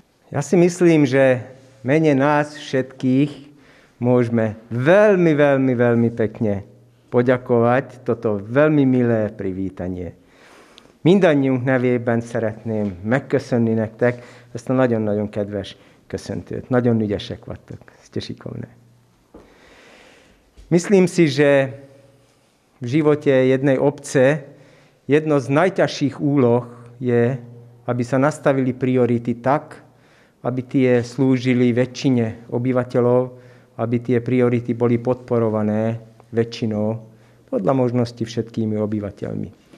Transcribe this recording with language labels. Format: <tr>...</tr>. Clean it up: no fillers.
<sk>Ja si myslím, že mene nás všetkých môžeme veľmi, veľmi, veľmi pekne poďakovať toto veľmi milé privítanie.</sk> <hu>Mindannyiunk nevében szeretném megköszönni nektek ezt a nagyon-nagyon kedves köszöntőt. Nagyon ügyesek vagytok.</hu> <sk>Stěšikovné. Myslím si, že v živote jednej obce jedno z najťažších úloh je, aby sa nastavili priority tak, aby tie slúžili väčšine obyvateľov, aby tie priority boli podporované väčšinou podľa možnosti všetkými obyvateľmi.</sk>